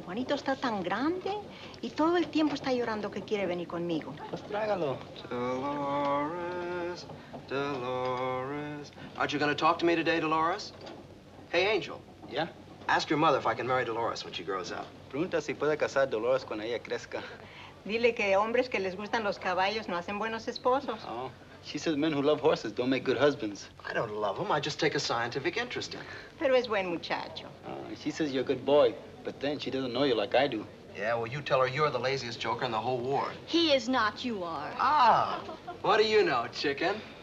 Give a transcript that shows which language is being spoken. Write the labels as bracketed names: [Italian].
[Spanish] Juanito está tan grande y todo el tiempo está llorando que quiere venir conmigo. Pues, trágalo. Dolores, Dolores. [English] Aren't you going to talk to me today, Dolores? Hey, Angel. Yeah? Ask your mother if I can marry Dolores when she grows up. [Spanish] Pregunta si puede casar Dolores cuando ella crezca. Dile que hombres que les gustan los caballos no hacen buenos esposos. [English] Oh, she says men who love horses don't make good husbands. I don't love them. I just take a scientific interest in. [Spanish] Pero es buen muchacho. [English] She says you're a good boy, but then she doesn't know you like I do. Yeah, well, you tell her you're the laziest joker in the whole ward. He is not. You are. Ah, what do you know, chicken?